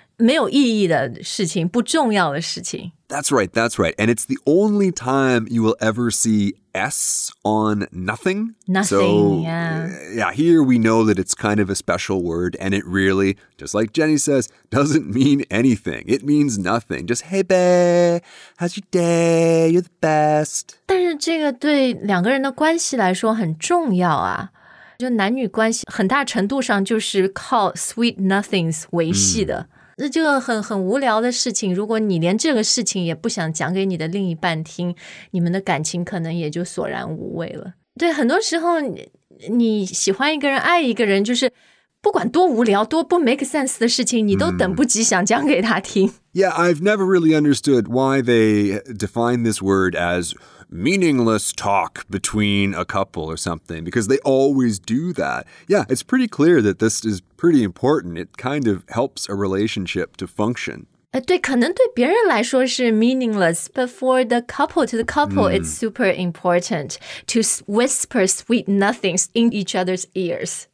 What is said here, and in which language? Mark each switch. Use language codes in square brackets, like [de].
[zh] 没有意义的事情，不重要的事情。 [en] That's right, that's right. And it's the only time you will ever see S on nothing. Nothing, so, yeah. Yeah, here we know that it's kind of a special word, and it really, just like Jenny says, doesn't mean anything. It means nothing. Just, hey, babe, how's your day? You're the best. [zh] 但是这个对两个人的关系来说很重要啊。就男女关系很大程度上就是靠 sweet nothings 维系的。那这个很无聊的事情，如果你连这个事情也不想讲给你的另一半听，你们的感情可能也就索然无味了。对，很多时候 你喜欢一个人，爱一个人，就是不管多无聊，多不 [en] make sense [zh] 的事情，你都等不及想讲给他听。 [en] Yeah, I've never really understood why they define this word as meaningless talk between a couple or something, because they always do that. Yeah, it's pretty clear that this is pretty important. It kind of helps a relationship to function. [zh] 对，可能对别人来说是 [en] meaningless, but for the couple, to the couple, it's super important to whisper sweet nothings in each other's ears.